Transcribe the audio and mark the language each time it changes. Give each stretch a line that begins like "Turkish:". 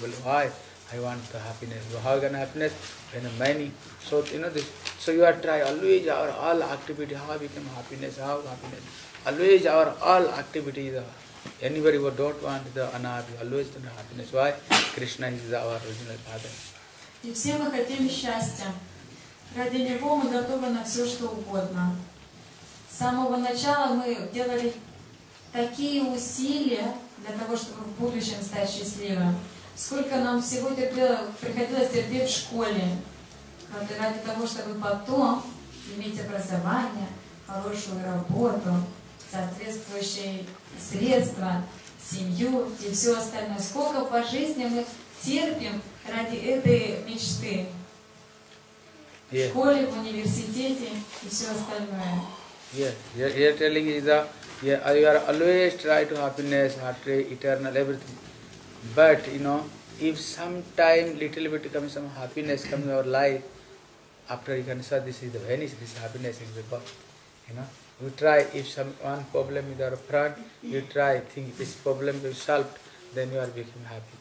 English: Well, why? I want the happiness. So how can happiness? When many. So you know this. So you are try always our all activity. How become happiness? How happiness? Always our all activities. Anybody who don't want the unhappy, always the happiness. Why? Krishna is our original father.
Russian: И все мы хотим счастья. Ради него мы готовы на все что угодно. С самого начала мы делали такие усилия для того, чтобы в будущем стать счастливым. Сколько нам всего приходилось терпеть в школе, ради того, чтобы потом иметь образование, хорошую работу, соответствующие средства, семью и все остальное. Сколько по жизни мы терпим ради этой мечты? В школе, в университете и все остальное.
English: You're telling me that you are always try to happiness, heart, eternal, everything. But, you know, if sometime little bit comes, some happiness comes in our life, after you can say this is the vanish, this happiness is the birth. You know, you try, if some one problem is our front, you try, think this problem will be solved, then you are become happy.